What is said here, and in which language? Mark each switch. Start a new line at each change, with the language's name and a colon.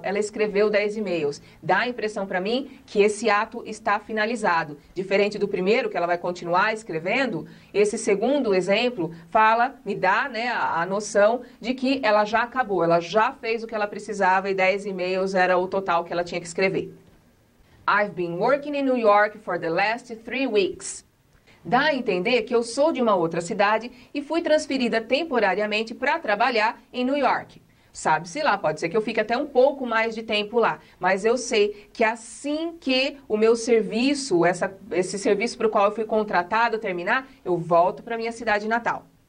Portuguese: Ela escreveu 10 e-mails. Dá a impressão para mim que esse ato está finalizado. Diferente do primeiro, que ela vai continuar escrevendo, esse segundo exemplo fala, me dá, né, a noção de que ela já acabou, ela já fez o que ela precisava e 10 e-mails era o total que ela tinha que escrever.
English: I've been working in New York for the last 3 weeks.
Portuguese: Dá a entender que eu sou de uma outra cidade e fui transferida temporariamente para trabalhar em New York. Sabe-se lá, pode ser que eu fique até um pouco mais de tempo lá, mas eu sei que assim que o meu serviço, esse serviço para o qual eu fui contratado terminar, eu volto para minha cidade natal.